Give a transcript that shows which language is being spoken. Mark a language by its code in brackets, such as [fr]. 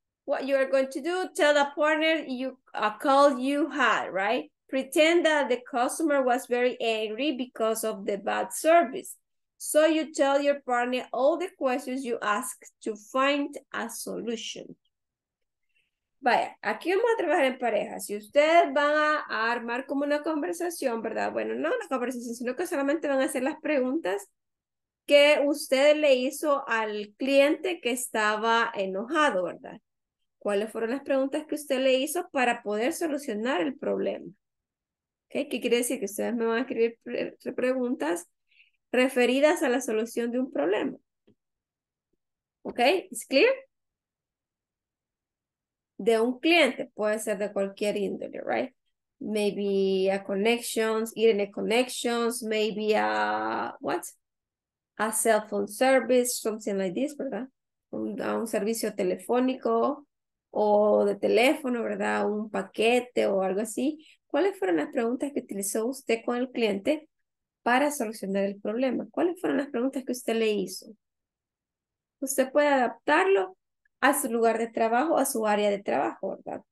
[en] What you are going to do, tell a partner a call you had, right? Pretend that the customer was very angry because of the bad service. So you tell your partner all the questions you asked to find a solution. [es] Vaya, aquí vamos a trabajar en pareja. Si ustedes van a armar como una conversación, ¿verdad? Bueno, no una conversación, sino que solamente van a hacer las preguntas que usted le hizo al cliente que estaba enojado, ¿verdad? ¿Cuáles fueron las preguntas que usted le hizo para poder solucionar el problema? ¿Okay? ¿Qué quiere decir? Que ustedes me van a escribir preguntas referidas a la solución de un problema. ¿Ok? ¿Es clear? De un cliente, puede ser de cualquier índole, right? [en] Maybe a connections, internet connections, maybe a, what? A cell phone service, something like this, ¿verdad? [es] A un servicio telefónico o de teléfono, ¿verdad? Un paquete o algo así. ¿Cuáles fueron las preguntas que utilizó usted con el cliente para solucionar el problema? ¿Cuáles fueron las preguntas que usted le hizo? Usted puede adaptarlo a su lugar de trabajo, a su área de trabajo, ¿verdad?